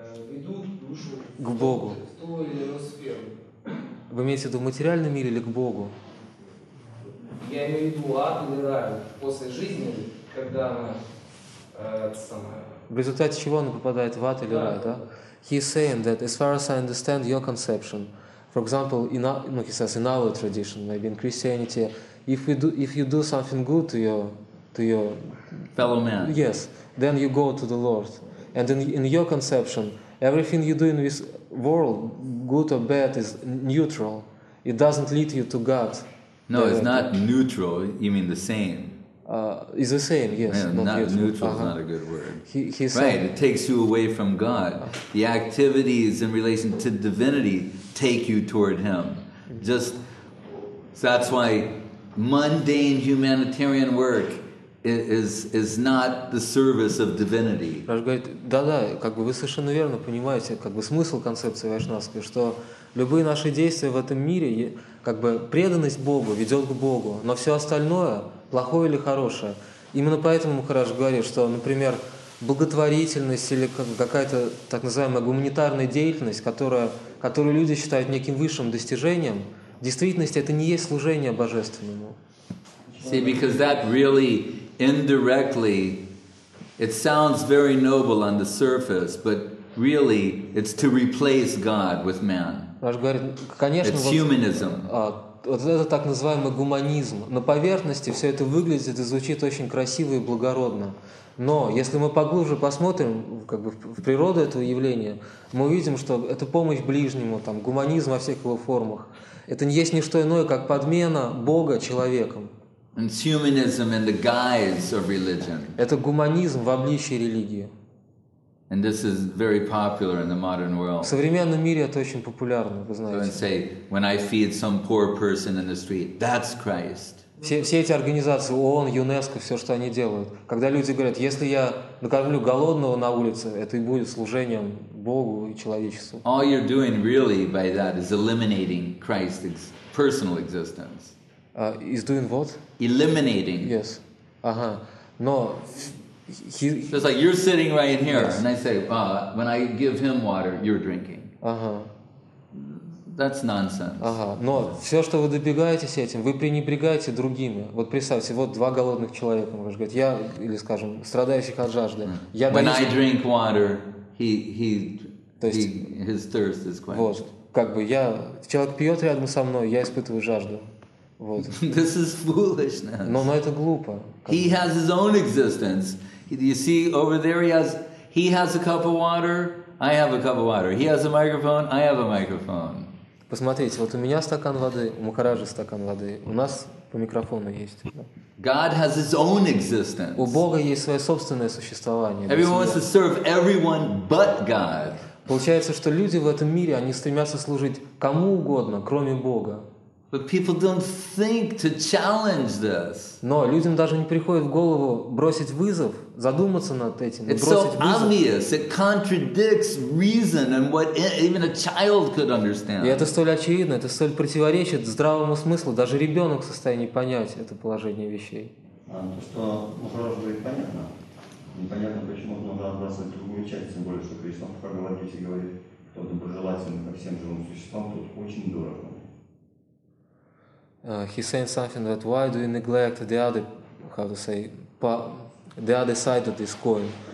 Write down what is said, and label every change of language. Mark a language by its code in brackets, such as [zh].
[ru] ведут душу к Богу. В ту или иную сферу. Вы имеете в виду в материальном мире или к Богу? Я имею в виду ад или рай. После жизни, когда она В результате чего она попадает в ад или рай, да? [en] He is saying that, as far as I understand your conception, for example, in our tradition, maybe in Christianity, if you do something good to your fellow man, yes, then you go to the Lord. And in your conception, everything you do in this world, good or bad, is neutral. It doesn't lead you to God. No, directly. It's not neutral. You mean the same. Is the same, yes. Yeah, not neutral is not a good word. He's right, saying, it takes you away from God. The activities in relation to divinity take you toward Him. Just so that's why mundane humanitarian work is not the service of divinity. [ru] Раш говорит, да-да, как бы вы совершенно верно понимаете, как бы смысл концепции вайшнавской, что любые наши действия в этом мире, как бы преданность Богу ведет к Богу, но все остальное плохое или хорошее. Именно поэтому Махарадж говорит, что, например, благотворительность или какая-то так называемая гуманитарная деятельность, которую люди считают неким высшим достижением, в действительности это не есть служение Божественному. [en] See, because that really indirectly, it sounds very noble on the surface, but really it's to replace God with man. [ru] Махарадж говорит, конечно, [en] it's humanism. [ru] Вот это так называемый гуманизм. На поверхности все это выглядит и звучит очень красиво и благородно. Но если мы поглубже посмотрим как бы, в природу этого явления, мы увидим, что это помощь ближнему, там, гуманизм во всех его формах. Это не есть ни что иное, как подмена Бога человеком. [en] It's humanism in the guise of religion. [ru] Это гуманизм в обличии религии. [en] And this is very popular in the modern world. [ru] В современном мире это очень популярно, вы знаете. [en] So and say, when I feed some poor person in the street, that's Christ. [ru] Все эти организации, ООН, ЮНЕСКО, все, что они делают, когда люди говорят, если я накормлю голодного на улице, это и будет служением Богу и человечеству. [en] All you're doing really by that is eliminating Christ's personal existence. Is doing what? Eliminating. Yes. [ru] Ага. Но [en] so it's like you're sitting right here, yes. And I say, when I give him water, you're drinking. Uh-huh. That's nonsense. Ага. [ru] Но все, что вы добегаетесь этим, вы пренебрегаете другими. Вот представьте, вот два голодных человека, можно сказать, я или скажем, страдающих от жажды. Я [en] when [ru] даю... [en] I drink water, his thirst is quenched. [ru] Вот, как бы я человек пьет рядом со мной, я испытываю жажду. Вот. [en] This is foolishness. [ru] Но это глупо. [en] He has his own existence. You see, over there he has a cup of water, I have a cup of water. He has a microphone, I have a microphone. [ru] Посмотрите, вот у меня стакан воды, у Махараджи стакан воды, у нас по микрофону есть. [en] God has his own existence. [ru] У Бога есть свое собственное существование. [en] Everyone wants to serve everyone but God. [ru] Получается, что люди в этом мире, они стремятся служить кому угодно, кроме Бога. [en] But people don't think to challenge this. [ru] Но людям даже не приходит в голову бросить вызов, задуматься над этим, [en] it's [ru] бросить [en] so [ru] вызов. [en] Obvious. It contradicts reason and what even a child could understand. [ru] И это столь очевидно, это столь противоречит здравому смыслу, даже ребенок в состоянии понять это положение вещей. То, что Махарадж говорит, непонятно, почему надо отбрасывать другую часть, тем более, что Кришна как говорите, говорит, кто доброжелательный ко всем живым существам, тот очень дорого. [en] He's saying something that why do you neglect the other side of this coin?